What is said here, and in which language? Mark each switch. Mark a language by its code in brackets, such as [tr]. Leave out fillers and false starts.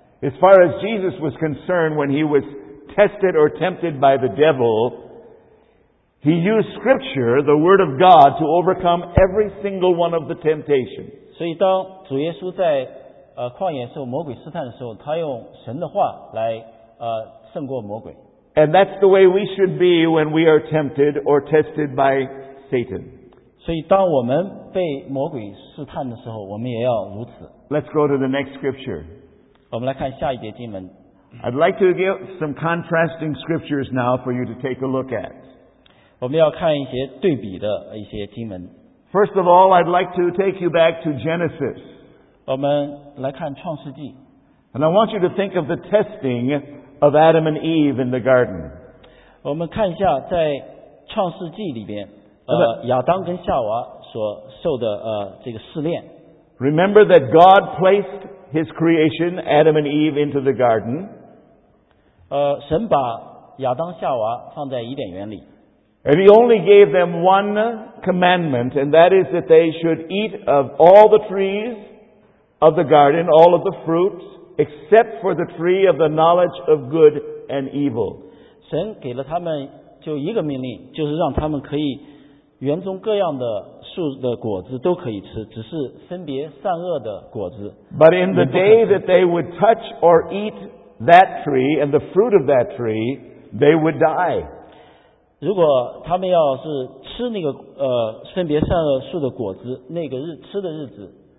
[en] As far as Jesus was concerned, when he was tested or tempted by the devil, he used Scripture, the Word of God, to overcome every single one of the temptations. [zh] 所以当主耶稣在旷野受魔鬼试探的时候，他用神的话来胜过魔鬼。 [en] And that's the way we should be when we are tempted or tested by Satan. [zh] 所以当我们被魔鬼试探的时候，我们也要如此。 [en] Let's go to the next scripture. [zh] 我们来看下一节经文。 [en] I'd like to give some contrasting scriptures now for you to take a look at. [zh] 我们要看一些对比的一些经文。 [en] First of all, I'd like to take you back to Genesis. [zh] 我们来看创世纪。 [en] And I want you to think of the testing of Adam and Eve in the garden. [zh] 我们看一下在创世纪里边亚当跟夏娃所受的这个试炼。 [en] Remember that God placed his creation, Adam and Eve, into the garden. [zh] 神把亚当夏娃放在伊甸园里。 [en] And he only gave them one commandment, and that is that they should eat of all the trees,of the garden, all of the fruits, except for the tree of the knowledge of good and evil. [zh] 神给了他们就一个命令，就是让他们可以园中各样的树的果子都可以吃，只是分别善恶的果子。 [en] But in the day that they would touch or eat that tree and the fruit of that tree, they would die. [zh] 如果他们要是吃那个分别善恶树的果子，那个日吃的日子。